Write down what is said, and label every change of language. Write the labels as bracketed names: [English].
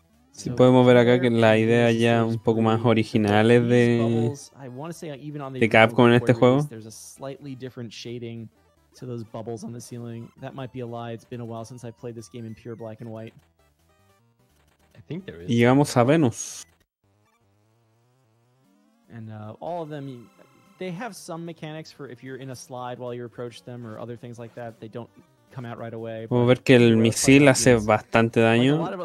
[Spanish] Sí, podemos ver acá que la idea ya un poco más original es de Capcom en este juego. [English] There's a slightly different shading. to those bubbles on the ceiling. That might be a lie. It's been a while since I played this game in pure black and white. I think there is. [Spanish] Llegamos a Venus. [English] And all of them, they have some mechanics for if you're in a slide while you approach them or other things like that. They don't come out right away. [Spanish] Vamos a ver que el misil hace bastante daño.